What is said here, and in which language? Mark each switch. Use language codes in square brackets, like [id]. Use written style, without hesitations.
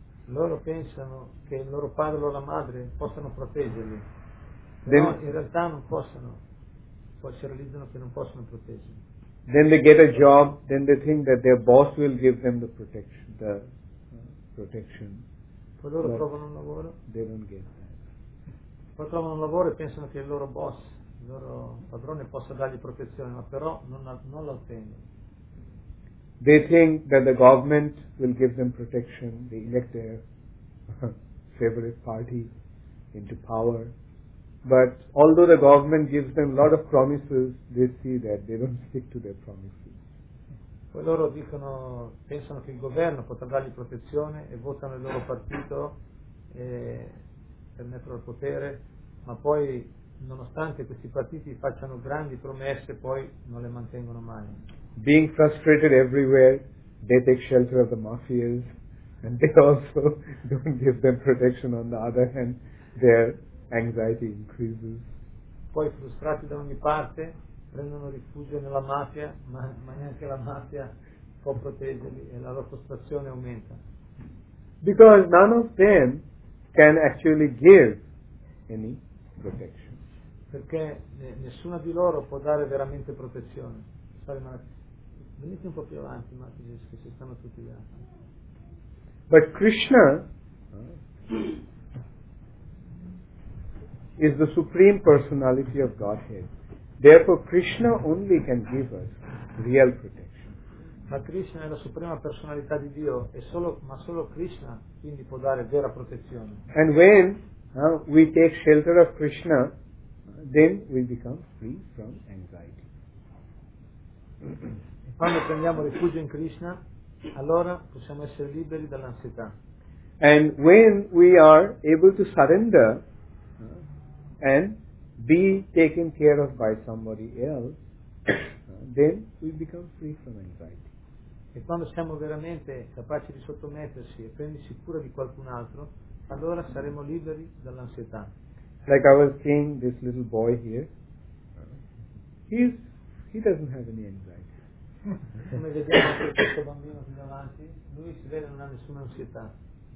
[it] Loro pensano che il loro padre o la madre possano proteggerli, però in realtà non possono. Poi si realizzano che non possono proteggere. [en] Then they get a job, then they think that their boss will give them the protection. [it] Poi loro trovano un lavoro. [en] They don't get that. [it] Poi trovano un lavoro e pensano che il loro boss, il loro padrone possa dargli protezione, ma però non la ottengono. [en] They think that the government will give them protection. They elect their favorite party into power, But although the government gives them a lot of promises, they see that they don't stick to their promises. [it] Poi loro dicono, pensano che il governo potrà dargli protezione e votano il loro partito e per mettere al potere, ma poi nonostante questi partiti facciano grandi promesse, poi non le mantengono mai. [en] Being frustrated everywhere, they take shelter of the mafias, and they also don't give them protection. On the other hand, their anxiety increases. [it] Poi frustrati da ogni parte, prendono rifugio nella mafia, ma neanche la mafia può proteggerli e la loro frustrazione aumenta. [en] Because none of them can actually give any protection. [it] Perché nessuno di loro può dare veramente protezione. Venite un po' più avanti, Matthew, che ci stanno tutti gli altri. [en] But Krishna is the supreme personality of Godhead. Therefore, Krishna only can give us real protection. [it] Ma Krishna è la suprema personalità di Dio, ma solo Krishna quindi può dare vera protezione. [en] And when we take shelter of Krishna, then we become free from anxiety. [it] E quando prendiamo rifugio in Krishna, allora possiamo essere liberi dall'ansietà. [en] And when we are able to surrender and be taken care of by somebody else, then we become free from anxiety. [it] E quando siamo veramente capaci di sottomettersi e prendersi cura di qualcun altro, allora saremo liberi dall'ansietà. [en] Like I was seeing this little boy here, he doesn't have any anxiety. [it] Come vediamo questo bambino qui davanti, lui si vede non ha nessuna ansietà.